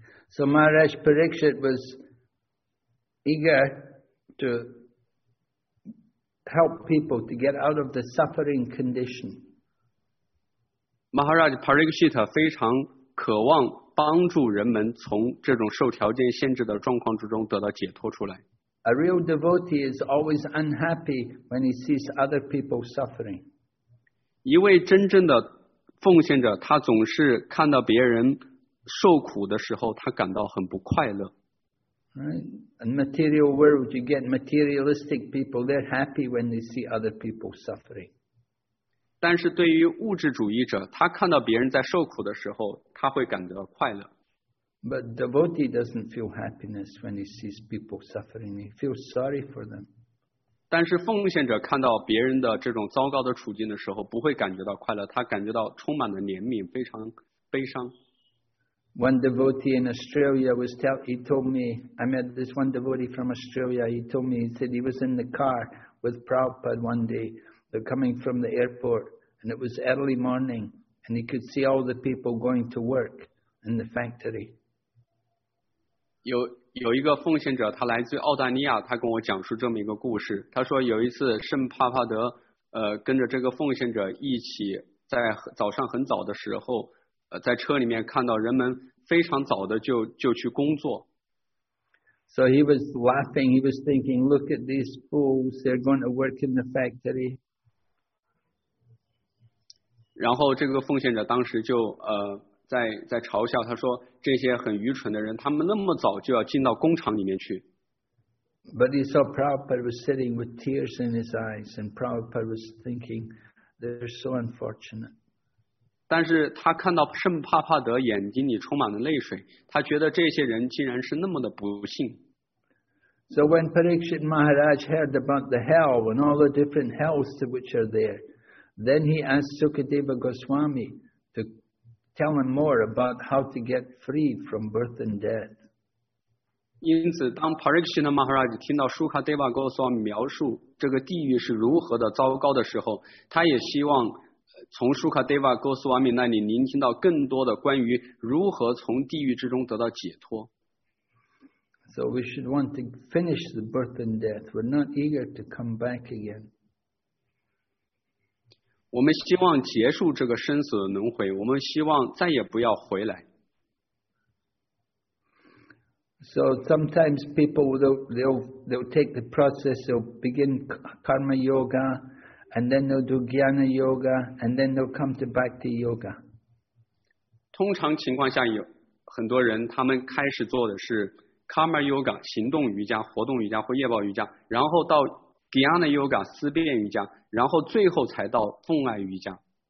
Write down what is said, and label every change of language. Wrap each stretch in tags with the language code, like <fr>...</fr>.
<en>So Maharaj Parikshit was eager to help people to get out of the suffering condition.</en> <zh>Maharaj Parikshit 非常渴望帮助人们从这种受条件限制的状况之中得到解脱出来。</zh> <en>A real devotee is always unhappy when he sees other people suffering.</en> <zh>一位真正的奉献者，他总是看到别人受苦的时候，他感到很不快乐。</zh> <en>Right. In material world, you get materialistic people. They're happy when they see other people suffering.</en> <zh>但是对于物质主义者，他看到别人在受苦的时候，他会感到快乐。</zh> <en>But devotee doesn't feel happiness when he sees people suffering. He feels sorry for them.</en> <zh>但是奉献者看到别人的这种糟糕的处境的时候，不会感觉到快乐，他感觉到充满了怜悯，非常悲伤。</zh> <en>One devotee in Australia was told me, he said he was in the car with Prabhupada one day. They're coming from the airport, and it was early morning, and he could see all the people going to work in the factory.</en> <zh>有一个奉献者，他来自澳大利亚，他跟我讲述这么一个故事。他说有一次圣帕帕德跟着这个奉献者一起在早上很早的时候在车里面看到人们非常早的就去工作。</zh> <en>So he was laughing, he was thinking, look at these fools, they're going to work in the factory.</en> <zh>然后这个奉献者当时就在嘲笑，他说这些很愚蠢的人，他们那么早就要进到工厂里面去。</zh> <en>But he saw Prabhupada was sitting with tears in his eyes, and Prabhupada was thinking, they're so unfortunate.</en> <zh>但是他看到圣帕帕德眼睛里充满了泪水，他觉得这些人竟然是那么的不幸。</zh> <en>So when Parikshit Maharaj heard about the hell and all the different hells which are there, then he asked Sukadeva Goswami to tell him more about how to get free from birth and death.</en> <zh>因此当 Parikshit Maharaj 听到 Sukadeva Goswami 描述这个地狱是如何的糟糕的时候，他也希望从 Sukadeva Goswami 那里聆听到更多的关于如何从地狱之中得到解脱。</zh> <en>So we should want to finish the birth and death. We're not eager to come back again.</en> <zh>我们希望结束这个生死的轮回，我们希望再也不要回来。</zh> <en>So sometimes people they'll take the process, they'll begin karma yoga, and then they'll do jnana yoga, and then they'll come to bhakti yoga.</en> <zh>通常情况下有很多人，他们开始做的是 karma yoga 行动瑜伽、活动瑜伽或业报瑜伽，然后到Dhyana Yoga 思辨瑜伽，然后最后才到奉爱瑜伽。</zh>